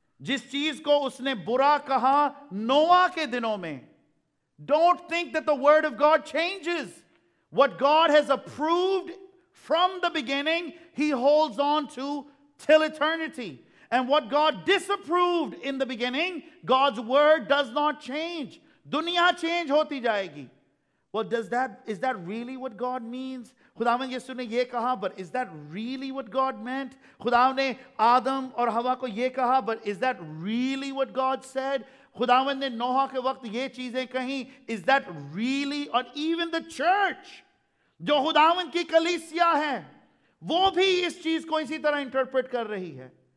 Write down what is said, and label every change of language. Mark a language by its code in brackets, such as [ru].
[hi] जिस चीज को उसने बुरा कहा नोआ के दिनों में, [en] Don't think that the word of God changes. What God has approved from the beginning he holds on to till eternity, and what God disapproved in the beginning, God's word does not change. [hi] दुनिया change होती जाएगी। [en] Well, does that, is that really what God means? [hi] खुदावंद यीशु ने ये कहा, [en] but is that really what God meant? [hi] खुदावंद ने आदम और हवा को ये कहा, [en] but is that really what God said? [hi] खुदावंद ने नोहा के वक्त ये चीजें कहीं, [en] is that really? Or even the church, [hi] जो खुदावंद की कलीसिया है, वो भी इस चीज को इसी तरह इंटरप्रेट कर रही है।